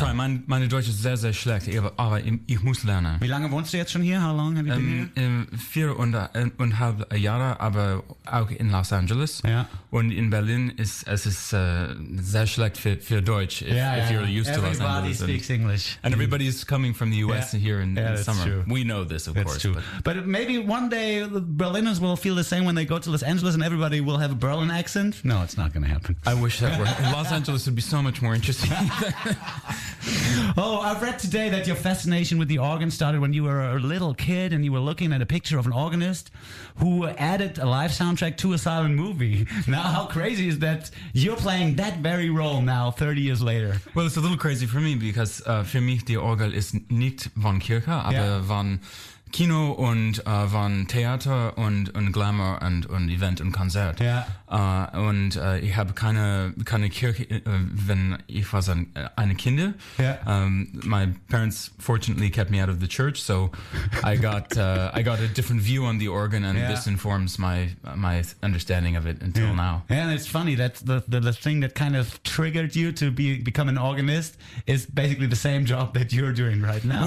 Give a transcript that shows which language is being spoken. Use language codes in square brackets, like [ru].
[en] We'll try. [de] Meine Deutsch ist sehr, sehr schlecht, aber ich muss lernen. Wie lange wohnst du jetzt schon hier? [en] How long have you been here? [de] 4,5 Jahre, aber auch in Los Angeles. Ja. Und in Berlin ist es ist sehr schlecht für Deutsch, [en] if you're used to Los Angeles. Everybody speaks English. And everybody is coming from the U.S. here in that's summer. True. We know this, of course. But maybe one day the Berliners will feel the same when they go to Los Angeles and everybody will have a Berlin accent? No, it's not going to happen. I wish that were. Los Angeles would be so much more interesting. Oh, I've read today that your fascination with the organ started when you were a little kid and you were looking at a picture of an organist who added a live soundtrack to a silent movie. Now, how crazy is that you're playing that very role now, 30 years later? Well, it's a little crazy for me because [de] für mich die Orgel ist nicht von Kirche, aber von Kino und von Theater und Glamour und Event und Konzert. Ja. Und ich habe keine Kirche, wenn ich war eine Kinder. Ja. [en] My parents fortunately kept me out of the church, so I got a different view on the organ and this informs my understanding of it until now. Yeah, and it's funny that the thing that kind of triggered you to become an organist is basically the same job that you're doing right now.